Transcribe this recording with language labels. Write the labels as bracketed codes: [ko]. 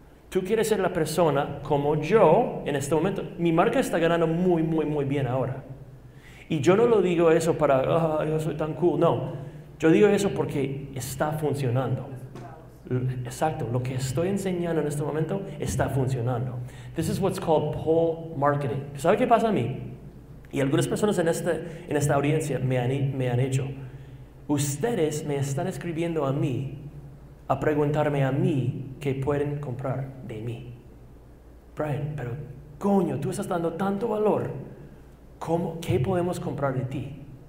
[es] Tú quieres ser la persona como yo en este momento. Mi marca está ganando muy, muy, muy bien ahora. Y yo no lo digo eso para, oh, yo soy tan cool. No, yo digo eso porque está funcionando. Exacto, lo que estoy enseñando en este momento está funcionando. [en] This is what's called pull marketing. [es] ¿Sabe qué pasa a mí? Y algunas personas en esta audiencia me han hecho. Ustedes me están escribiendo a mí a preguntarme a mí qué pueden comprar de mí. Brian, pero coño, tú estás dando tanto valor. ¿Cómo, qué podemos comprar de ti?